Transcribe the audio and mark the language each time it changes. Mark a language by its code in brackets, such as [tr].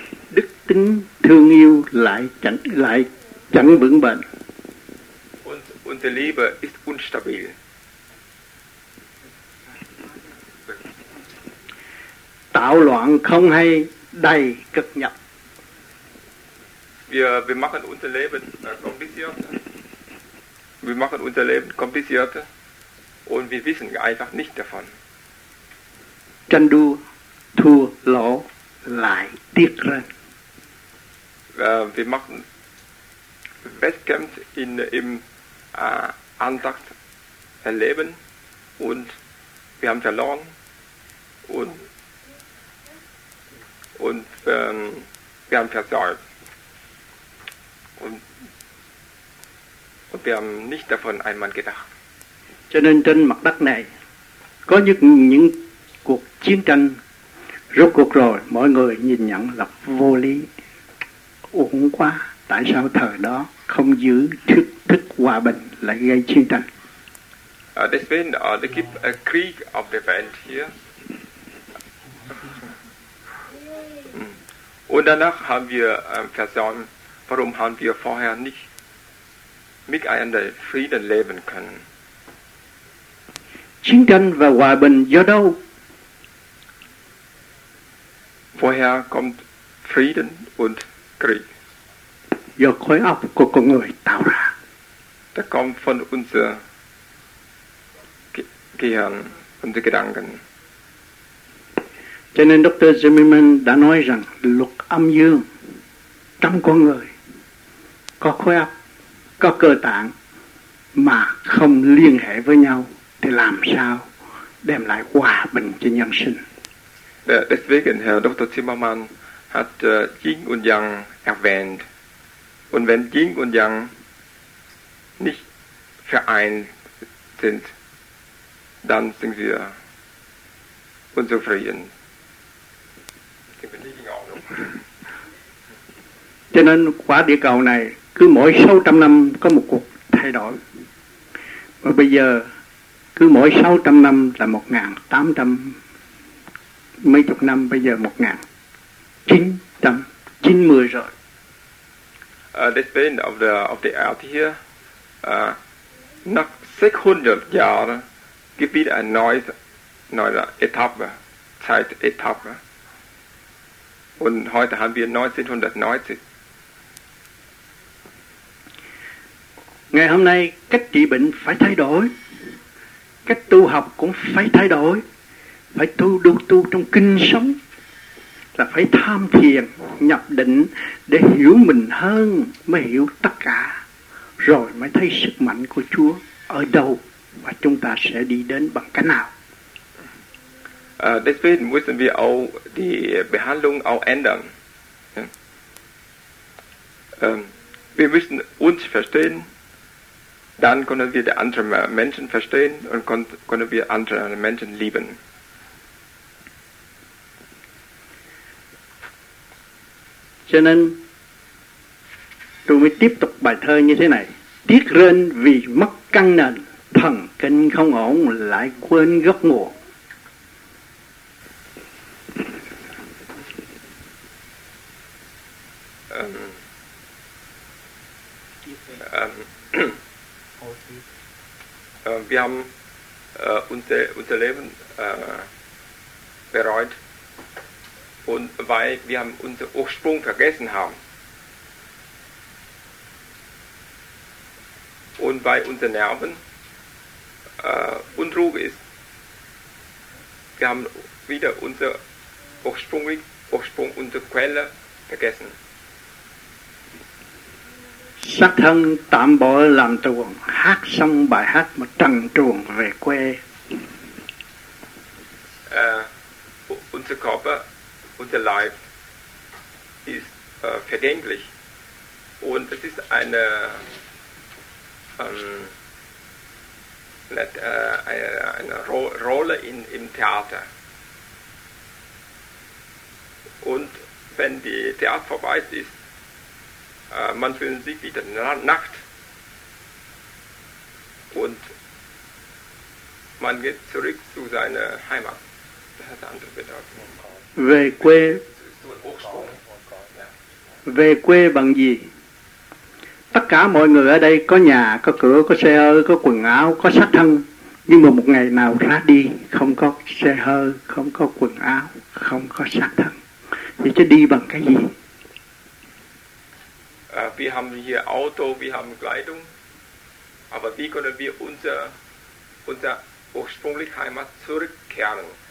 [vi] Đức tính thương yêu lại chẳng vững bền. [de] Und unsere Liebe ist unstabil. [vi] Tạo loạn không hay đầy cực nhập. [de] Wir machen unser Leben komplizierter. Wir machen unser Leben komplizierter und wir wissen einfach nicht davon. Tranh đua thua lỗ lại tiếc rơi. Wir machen Wettkämpfe im Antakt erleben und wir haben verloren und wir haben versorgt. Und wir haben nicht davon einmal gedacht. [vi] Cho nên trên mặt đất này có những cuộc chiến tranh, rốt cuộc rồi mọi người nhìn nhận là vô lý, uổng quá. Tại sao thời đó không giữ thức hòa bình lại gây chiến tranh? [de] Deswegen es gibt a Krieg auf der Welt hier. Und danach haben wir versäumt. Warum haben wir vorher nicht miteinander Frieden leben können? [vi] Chiến tranh và hòa bình do đâu? [de] Woher kommt Frieden und Krieg? [vi] Do khối óc của con người tạo ra. [de] Das kommt von unserem Gehirn, unseren Gedanken. [vi] Cho nên Dr. Zimmerman đã nói rằng luật âm dương trong con người có khối óc, có cơ tạng mà không liên hệ với nhau thì làm sao đem lại hòa bình cho nhân sinh? [de] Deswegen Herr Dr. Zimmerman hat Yin und Yang erwähnt. Und wenn Yin und Yang nicht vereint sind, dann sind wir unzufrieden. [vi] Cho nên quả địa cầu này cứ mỗi 600 năm có một cuộc thay đổi. Và bây giờ cứ mỗi 600 năm là 1800 mấy chục năm, bây giờ 1990 rồi. [en] The spin of the earth here [de] Nach 600 Jahren gibt es eine neue Etappe, Zeitetappe. Und heute haben wir 1990. [vi] Ngày hôm nay, cách trị bệnh phải thay đổi. Cách tu học cũng phải thay đổi. Phải tu đu tu trong kinh sống. Là phải tham thiền, nhập định để hiểu mình hơn, mới hiểu tất cả. Rồi mới thấy sức mạnh của Chúa ở đâu và chúng ta sẽ đi đến bằng cách nào. [de] Deswegen müssen wir auch die Behandlung auch ändern. Wir müssen uns verstehen, dann können wir die anderen Menschen verstehen und können wir andere Menschen lieben. [vi] Cho nên tôi mới tiếp tục bài thơ như thế này: tiếc rên vì mất căn nền, thần kinh không ổn lại quên gốc nguồn. [de] Wir haben unser Leben bereut, und weil wir haben unseren Ursprung vergessen haben und weil unsere Nerven unruhig ist, wir haben wieder unseren Ursprung, unsere Quelle vergessen. [vi] Sắc thân tạm bỏ làm tuồng, hát xong bài hát mà trần truồng về quê. [de] Unser Körper, unser Leib ist vergänglich, und es ist eine Rolle im Theater. Und wenn die Theater vorbei ist, man fühlt sich wieder nackt und man geht zurück zu seiner Heimat. Das hat andere Bedeutung. [vi] Về quê. Về quê bằng gì? Tất cả mọi người ở đây có nhà, có cửa, có xe hơi, có quần áo, có xác thân. Nhưng mà một ngày nào ra đi, không có xe hơi, không có quần áo, không có xác thân. Thì chứ đi bằng cái gì? [de] Wir haben hier Auto, wir haben Kleidung, aber wie können wir unser ursprüngliche Heimat zurückkehren?